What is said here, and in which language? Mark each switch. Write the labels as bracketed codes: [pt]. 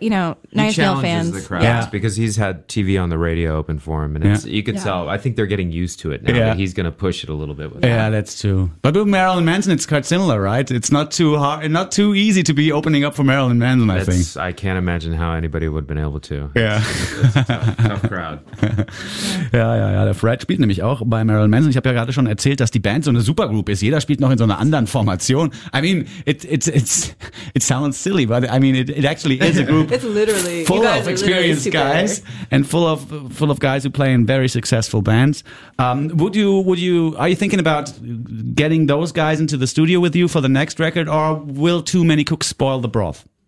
[en] He challenges the crowd because he's had TV on the radio open for him, and you could tell. I think they're getting used to it now. Yeah. He's going to push it a little bit with that. Yeah, that's true. But with Marilyn Manson, it's quite similar, right? It's not too hard, not too easy to be opening up for Marilyn Manson, I think. I can't imagine how anybody would have been able to. Yeah. It's a tough, tough crowd. [de] Ja, der Fred spielt nämlich auch bei Marilyn Manson. Ich habe ja gerade schon erzählt, dass die Band so eine Supergroup ist. Jeder spielt noch in so einer anderen Formation. [en] I mean, it sounds silly, but I mean, it actually is a group. It's literally full of experienced guys and full of guys who play in very successful bands. Are you thinking about getting those guys into the studio with you for the next record, or will too many cooks spoil the broth?